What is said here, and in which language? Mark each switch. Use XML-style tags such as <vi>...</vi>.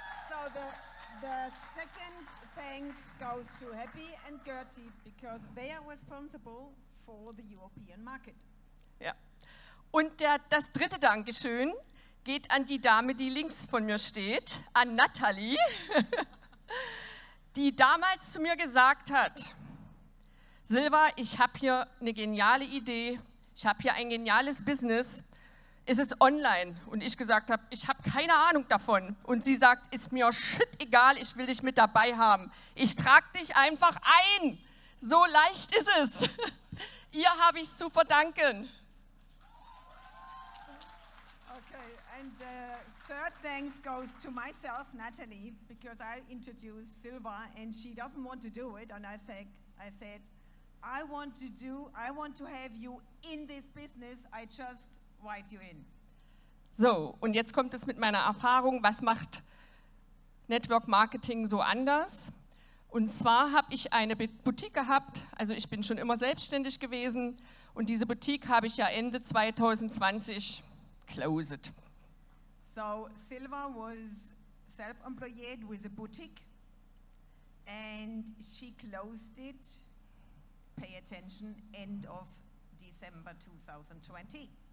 <en>So the second thanks goes to Happy and Gerti, because they are responsible for the European market.</en> <de>Ja. Und das dritte Dankeschön geht an die Dame, die links von mir steht, an Natalie, die damals zu mir gesagt hat, Silva, ich habe hier eine geniale Idee, ich habe hier ein geniales Business, es ist online. Und ich gesagt habe, ich habe keine Ahnung davon. Und sie sagt, ist mir shit egal, ich will dich mit dabei haben. Ich trage dich einfach ein. So leicht ist es. Ihr habe ich zu verdanken.</de> <en>And the third thanks goes to myself, Natalie, because I introduced Silva and she doesn't want to do it. And I said, I want to have you in this business. I just write you in.</en> <de>So, und jetzt kommt es mit meiner Erfahrung. Was macht Network Marketing so anders? Und zwar habe ich eine Boutique gehabt. Also ich bin schon immer selbstständig gewesen. Und diese Boutique habe ich ja Ende 2020 closed.</de> <en>So Silva was self-employed with a boutique and she closed it, pay attention, end of December 2020.</en>